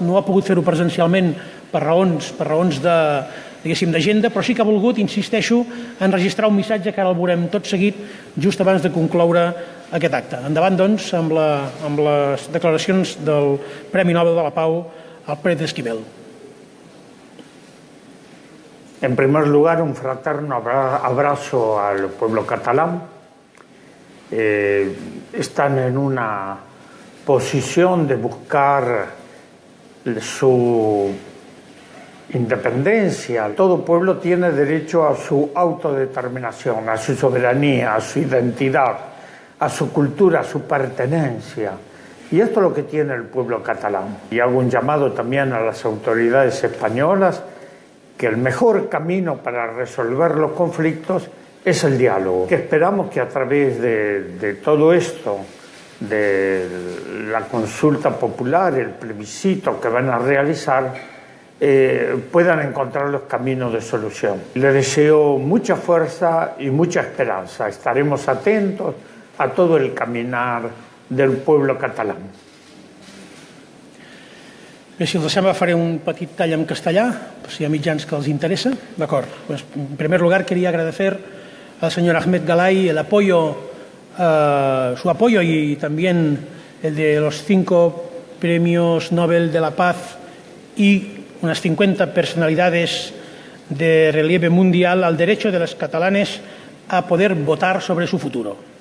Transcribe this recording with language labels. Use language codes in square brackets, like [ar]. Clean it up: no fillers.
[ca] No ha pogut fer-ho presencialment per raons de, diguéssim, d'agenda, però sí que ha volgut, insisteixo, enregistrar un missatge que ara el veurem tot seguit, just abans de concloure aquest acte. Endavant, doncs, amb les declaracions del Premi Nobel de la Pau, el Pérez Esquivel. [es] En primer lugar, un fraterno abrazo al pueblo catalán. Están en una posición de buscar su independencia. Todo pueblo tiene derecho a su autodeterminación, a su soberanía, a su identidad, a su cultura, a su pertenencia. Y esto es lo que tiene el pueblo catalán. Y hago un llamado también a las autoridades españolas que el mejor camino para resolver los conflictos es el diálogo. Que esperamos que a través de todo esto, de la consulta popular, el plebiscito que van a realizar, puedan encontrar los caminos de solución. Le deseo mucha fuerza y mucha esperanza. Estaremos atentos a todo el caminar del pueblo catalán. [ca] Bé, si els sembla, faré un petit tall en castellà, si hi ha mitjans que els interessa. D'acord. [es] Pues, en primer lugar, quería agradecer al señor Ahmed Galay el apoyo, su apoyo y también el de los 5 premios Nobel de la Paz y unas 50 personalidades de relieve mundial al derecho de los catalanes a poder votar sobre su futuro.